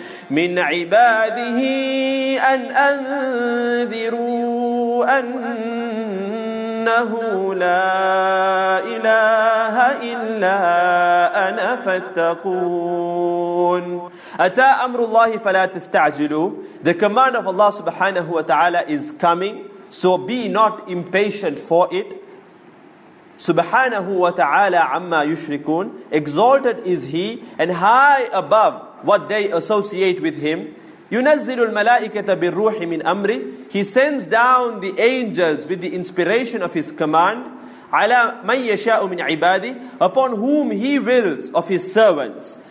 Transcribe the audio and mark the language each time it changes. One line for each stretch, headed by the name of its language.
Arabic: مِنْ عِبَادِهِ أن أنذروا أنه لا إله إلا أنا فاتقون. أتى أمر الله فلا تستعجلوا.
English: The command of Allah subhanahu wa ta'ala is coming, so be not impatient for it.
Arabic: سبحانه وتعالى عما يشركون.
English: Exalted is He and high above what they associate with him.
Arabic: يُنَزِّلُ الْمَلَائِكَةَ بِالرُّوحِ مِنْ أَمْرِ.
English: He sends down the angels with the inspiration of his command.
Arabic: عَلَى مَنْ يَشَاءُ مِنْ عِبَادِ.
English: Upon whom he wills of his servants.